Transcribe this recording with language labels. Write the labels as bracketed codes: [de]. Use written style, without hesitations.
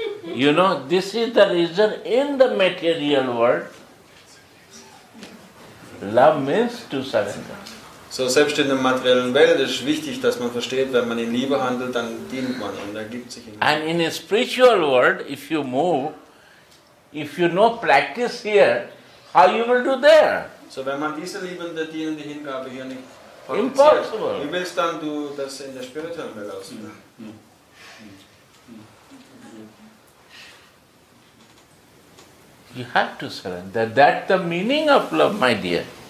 [en] You know, this is the reason in the material world, love means to surrender. [de] So selbst in der materiellen Welt ist wichtig, dass man versteht, wenn man in Liebe handelt, dann dient man und ergibt sich in Liebe. [en] And in a spiritual world, if you move, if you no practice here, how you will do there? [de] So wenn man diese liebende, dienende Hingabe hier nicht praktiziert, [en] impossible. [de] Wie willst dann du das in der spirituellen Welt ausüben? [en] You have to surrender. That's the meaning of love, my dear.